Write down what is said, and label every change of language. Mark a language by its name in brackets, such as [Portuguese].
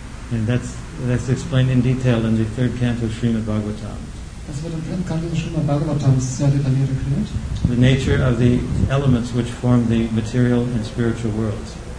[English] And that's explained in detail in the third canto of Srimad Bhagavatam. [German] Das wird im dritten Kanto des Srimad Bhagavatam sehr detailliert erklärt. [English] The nature of the elements which form the material and spiritual worlds.